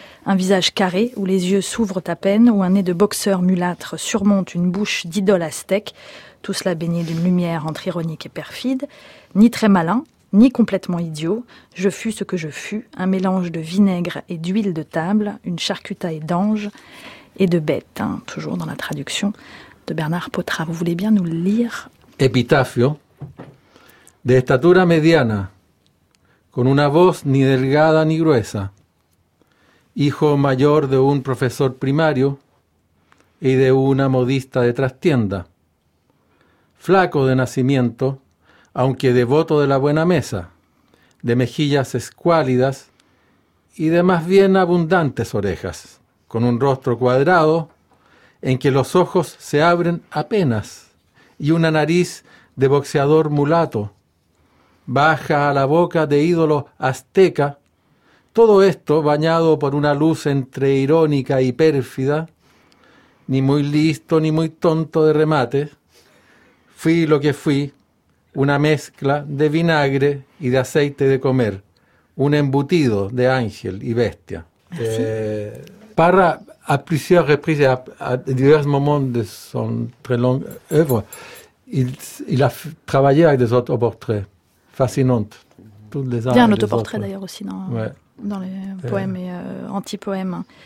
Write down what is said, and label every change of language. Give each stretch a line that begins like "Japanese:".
French: un visage carré où les yeux s'ouvrent à peine, où un nez de boxeur mulâtre surmonte une bouche d'idole aztèque, tout cela baigné d'une lumière entre ironique et perfide, ni très malin, ni complètement idiot, je fus ce que je fus, un mélange de vinaigre et d'huile de table, une charcutaille d'ange et de bête, toujours dans la traduction de Bernard Potrat. Vous voulez bien nous le lire?
Spanish: Epitafio. De estatura mediana, con una voz ni delgada ni gruesa, hijo mayor de un profesor primario y de una modista de trastienda. Flaco de nacimiento, aunque devoto de la buena mesa, de mejillas escuálidas y de más bien abundantes orejas, con un rostro cuadrado en que los ojos se abren apenas y una nariz de boxeador mulato, baja a la boca de ídolo azteca, todo esto bañado por una luz entre irónica y pérfida, ni muy listo ni muy tonto de remate. Fui lo que fui, una mezcla de vinagre y de aceite de comer, un embutido de ángel y bestia.
French: Parra, à plusieurs reprises et à divers moments de son très longue œuvre, il a travaillé avec des autoportraits fascinantes. Toutes les âmes, il y a un autoportrait d'ailleurs aussi dans les poèmes et antipoèmes.